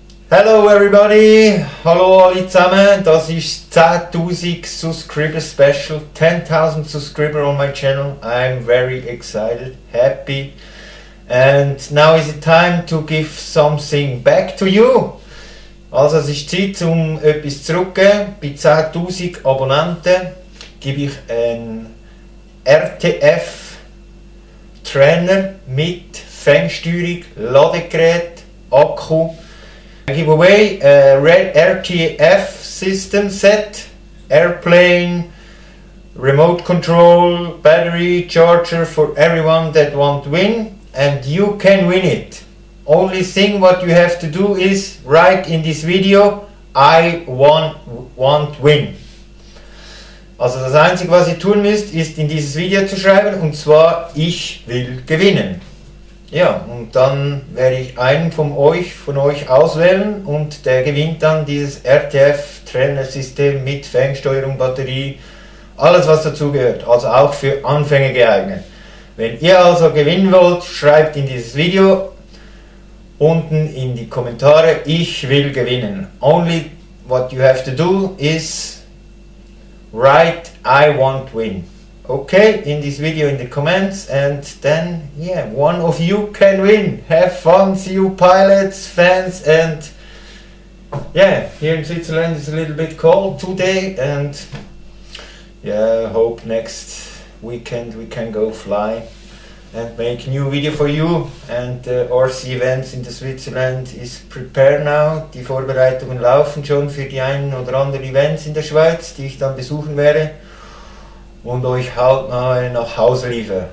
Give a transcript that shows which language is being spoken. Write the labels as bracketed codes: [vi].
[en] Hello everybody, [de] hallo alle zusammen. Das ist [en] 10.000 Subscriber Special, 10.000 Subscriber on my channel. I'm very excited, happy. And now is it time to give something back to you. [de] Also es ist Zeit, um etwas zurückzugeben. Bei 10.000 Abonnenten gebe ich einen RTF-Trainer mit Fernsteuerung, Ladegerät, Akku. [en] Giveaway, RTF System Set, Airplane, Remote Control, Battery, Charger for everyone that want to win. And you can win it. Only thing what you have to do is write in this video, I want win. [de] Also das Einzige, was ihr tun müsst, ist in dieses Video zu schreiben, und zwar, ich will gewinnen. Ja, und dann werde ich einen von euch auswählen, und der gewinnt dann dieses RTF-Trainer-System mit Fernsteuerung, Batterie, alles was dazugehört, also auch für Anfänger geeignet. Wenn ihr also gewinnen wollt, schreibt in dieses Video unten in die Kommentare, ich will gewinnen. [en] Only what you have to do is write I want win. Okay, in this video in the comments, and then yeah, one of you can win. Have fun, see you pilots, fans, and yeah, here in Switzerland it's a little bit cold today, and yeah, hope next weekend we can go fly and make a new video for you. And the RC events in the Switzerland is prepared now. [de] Die Vorbereitungen laufen schon für die einen oder anderen Events in der Schweiz, die ich dann besuchen werde und euch halt mal nach Hause liefern.